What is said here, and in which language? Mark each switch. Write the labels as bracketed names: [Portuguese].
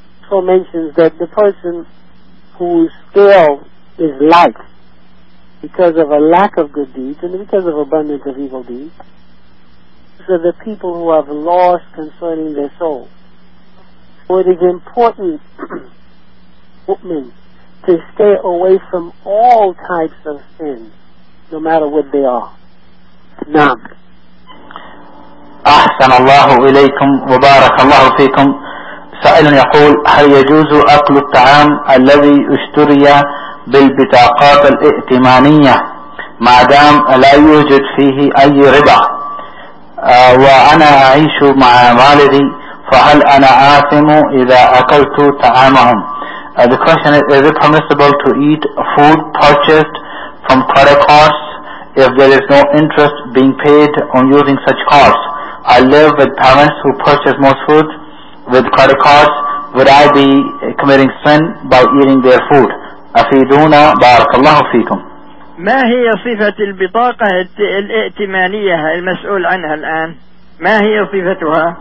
[English] So mentions that the person whose scale is light because of a lack of good deeds and because of abundance of evil deeds, so the people who have lost concerning their soul. So it is important, mu'min, to stay away from all types of sins, no matter what they are. [Arabic] Naam. أحسن الله إليكم وبارك الله فيكم. سائل يقول: هل يجوز أكل الطعام الذي اشتري بالبطاقات الائتمانية ما دام لا يوجد فيه أي ربا، وأنا أعيش مع والدي، فهل أنا آثم إذا أكلت طعامهم؟ [English] The question is it permissible to eat food purchased from credit cards if there is no interest being paid on using such cards? I live with parents who purchase most food with credit cards. Would I be committing sin by eating their food? [Arabic] أفيدونا بارك الله فيكم. ما هي صفة البطاقة الائتمانية المسؤول عنها الآن؟ ما هي صفتها؟